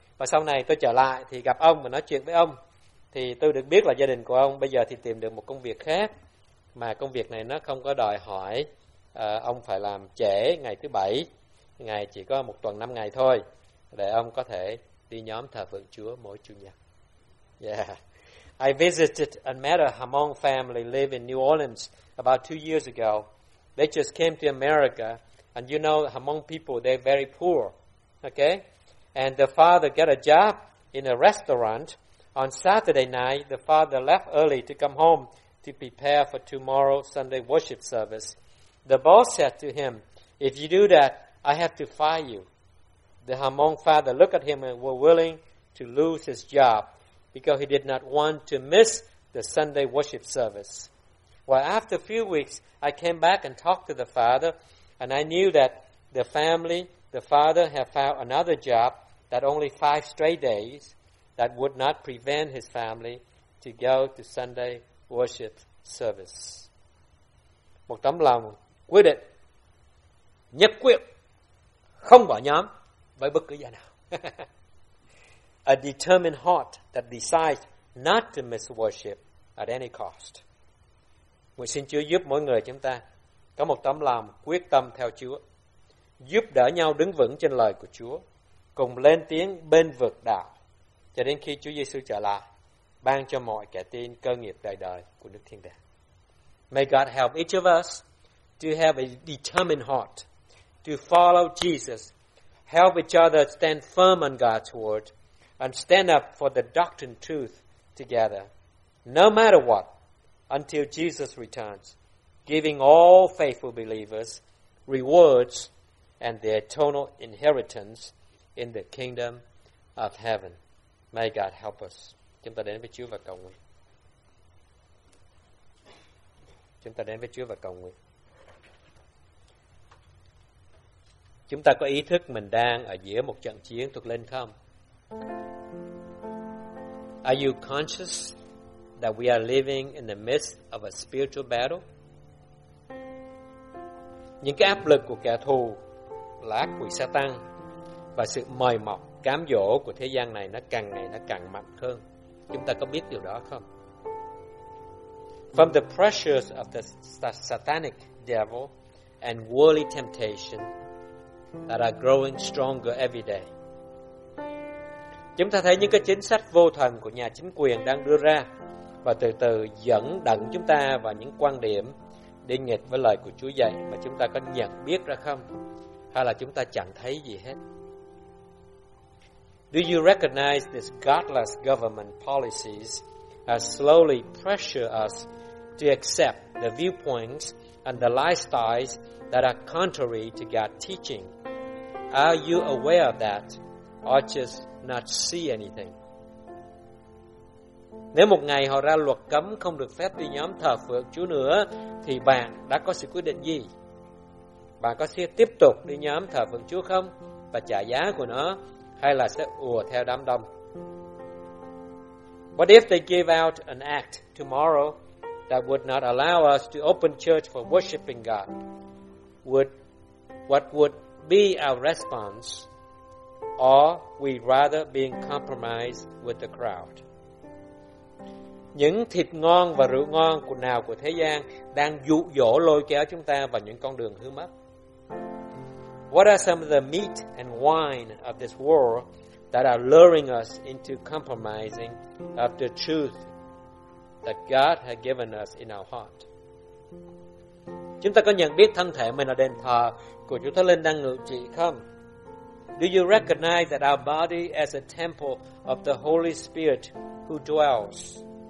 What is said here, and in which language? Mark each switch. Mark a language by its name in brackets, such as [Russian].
[Vietnamese] Và sau này tôi trở lại thì gặp ông và nói chuyện với ông, thì tôi được biết là gia đình của ông bây giờ thì tìm được một công việc khác, mà công việc này nó không có đòi hỏi ông phải làm trễ ngày thứ bảy, ngày chỉ có một tuần 5 ngày thôi, để ông có thể đi nhóm thờ phượng Chúa mỗi Chủ Nhật. [English] Yeah. I visited and met a Hmong family live in New Orleans about 2 years ago. They just came to America. And you know, Hmong people, they're very poor, okay? And the father got a job in a restaurant. On Saturday night, the father left early to come home to prepare for tomorrow Sunday worship service. The boss said to him, "If you do that, I have to fire you." The Hmong father looked at him and were willing to lose his job because he did not want to miss the Sunday worship service. Well, after a few weeks, I came back and talked to the father, and I knew that the family, the father, had found another job that only 5 straight days that would not prevent his family to go to Sunday worship service. [Vietnamese] Một tấm lòng quyết định, nhất quyết, không bỏ nhóm với bất cứ giá nào. [English] A determined heart that decides not to miss worship at any cost. [Vietnamese] Nguyện xin Chúa giúp mỗi người chúng ta có một tấm lòng quyết tâm theo Chúa, giúp đỡ nhau đứng vững trên lời của Chúa, cùng lên tiếng bên vực đạo, cho đến khi Chúa Giêsu trở lại, ban cho mọi kẻ tin cơ nghiệp đời đời của nước thiên đàng. [English] May God help each of us to have a determined heart to follow Jesus, help each other stand firm on God's word, and stand up for the doctrine truth together, no matter what, until Jesus returns, giving all faithful believers rewards and the eternal inheritance in the kingdom of heaven. May God help us. [Vietnamese] Chúng ta đến với Chúa và cầu nguyện. Chúng ta đến với Chúa và cầu nguyện. Chúng ta có ý thức mình đang ở giữa một trận chiến thuộc linh không? [English] Are you conscious that we are living in the midst of a spiritual battle? [Vietnamese] Những cái áp lực của kẻ thù là ác quỷ Satan và sự mời mọc cám dỗ của thế gian này nó càng ngày nó càng mạnh hơn. Chúng ta có biết điều đó không? [English] From the pressures of the satanic devil and worldly temptation that are growing stronger every day. [Vietnamese] Chúng ta thấy những cái chính sách vô thần của nhà chính quyền đang đưa ra và từ từ dẫn đẩn chúng ta vào những quan điểm đi nghịch với lời của Chúa dạy, mà chúng ta có nhận biết ra không, hay là chúng ta chẳng thấy gì hết. [English] Do you recognize this godless government policies are slowly pressure us to accept the viewpoints and the lifestyles that are contrary to God's teaching? Are you aware of that or just not see anything? [Vietnamese] Nếu một ngày họ ra luật cấm không được phép đi nhóm thờ phượng Chúa nữa, thì bạn đã có sự quyết định gì? Bạn có sẽ tiếp tục đi nhóm thờ phượng Chúa không và trả giá của nó, hay là sẽ ùa theo đám đông? [English] What if they give out an act tomorrow that would not allow us to open church for worshiping God? What would be our response? Or we rather being compromised with the crowd? [Vietnamese] Những thịt ngon và rượu ngon của nào của thế gian đang dụ dỗ lôi kéo chúng ta vào những con đường hư mất. [English] What are some of the meat and wine of this world that are luring us into compromising of the truth that God has given us in our heart? [Vietnamese] Chúng ta có nhận biết thân thể mình là đền thờ của Chúa Thánh Linh đang ngự trị không? [English] Do you recognize that our body is a temple of the Holy Spirit who dwells?